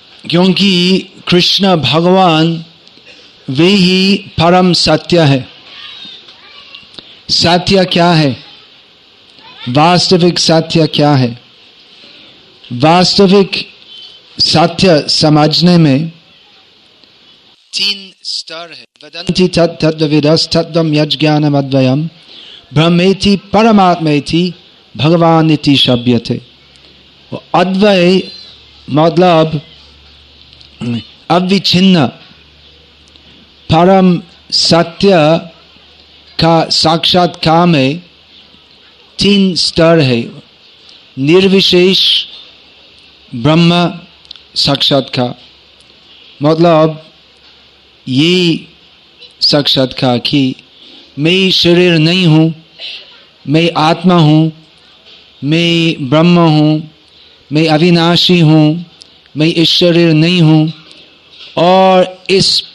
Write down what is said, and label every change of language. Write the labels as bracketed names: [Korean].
[Hindi] क्योंकि कृष्ण भगवान वे ही परम सत्य है। सत्य क्या है? वास्तविक सत्य क्या है? वास्तविक सत्य समझने में तीन स्तर है। [Sanskrit] वदन्ति तत् तद्विदस्तत्त्वं यज्ज्ञानम् अद्वयम् ब्रह्मेति परमात्मेति भगवान् इति शब्यते। [Hindi] अद्वय मतलब अविच्छिन्न परम सत्य का साक्षात्कार में तीन स्तर है। निर्विशेष ब्रह्म साक्षात्कार मतलब ये साक्षात्कार कि मैं शरीर नहीं हूँ, मैं आत्मा हूँ, मैं ब्रह्म हूँ, मैं अविनाशी हूँ, मैं इस शरीर नहीं हूँ और इस